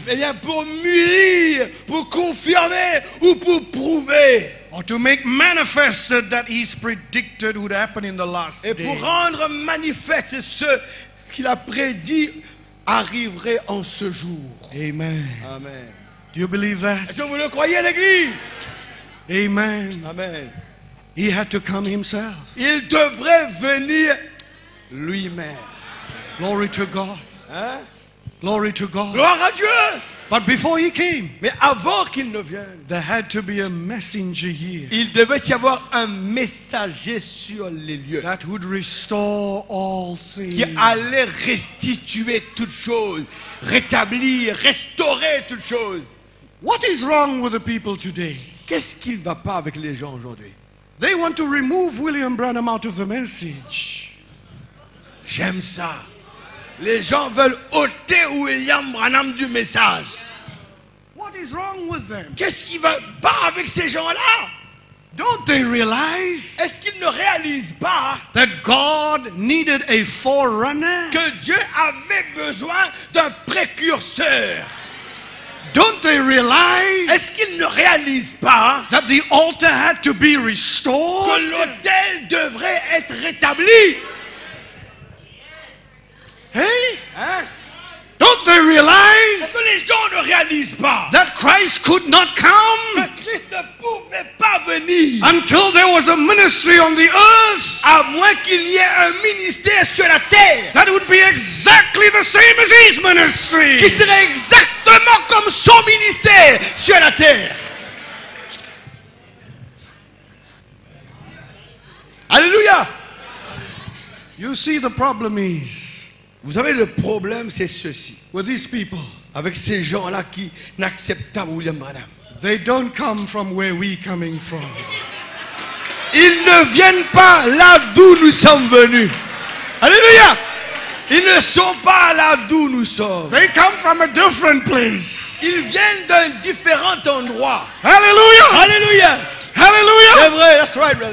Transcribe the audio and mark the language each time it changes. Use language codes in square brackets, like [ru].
[fr] Eh bien, pour mûrir, pour confirmer ou pour prouver. [en] Or to make manifested that he's predicted would happen in the last [fr] day. Et pour rendre manifeste ce qu'il a prédit arriverait en ce jour. [en] Amen. [fr] Amen. [en] Do you believe that? [fr] Est-ce que vous le croyez, l'Église? [en] Amen. [fr] Amen. [en] He had to come himself. [fr] Il devrait venir lui-même. [en] Glory to God. [fr] Hein? [en] Glory to God. [fr] Gloire à Dieu. [en] But before he came, [fr] mais avant qu'il ne vienne, [en] there had to be a messenger here. [fr] Il devait y avoir un messager sur les lieux. [en] That would restore all things. [fr] Qui allait restituer toutes choses, rétablir, restaurer toutes choses. [en] What is wrong with the people today? [fr] Qu'est-ce qui ne va pas avec les gens aujourd'hui? [en] They want to remove William Branham out of the message. [fr] J'aime ça. Les gens veulent ôter William Branham du message. [en] What is wrong with them? [fr] Qu'est-ce qui va pas avec ces gens-là? [en] Don't they realize? [fr] Est-ce qu'ils ne réalisent pas [en] that God needed a forerunner? [fr] Que Dieu avait besoin d'un précurseur. [en] Don't they realize? [fr] Est-ce qu'ils ne réalisent pas [en] that the altar had to be restored? [fr] Que l'autel devrait être rétabli. [en] Hey? Don't they realize? [fr] Est-ce que les gens ne réalisent pas [en] that Christ could not come? [fr] Que Christ ne pouvait pas venir [en] until there was a ministry on the earth? [fr] À moins qu'il y ait un ministère sur la terre. [en] That would be exactly the same as his ministry. [fr] Qui serait exactement comme son ministère sur la terre. Alléluia. [en] You see, the problem is. [fr] Vous savez, le problème, c'est ceci. [en] With these people, [fr] avec ces gens-là qui n'acceptent pas William Branham. [en] They don't come from where we coming from. [fr] Ils ne viennent pas là d'où nous sommes venus. Alléluia! Ils ne sont pas là d'où nous sommes. [en] They come from a different place. [fr] Ils viennent d'un différent endroit. Alléluia! Alléluia! Alléluia! C'est vrai, [en] that's right, brother.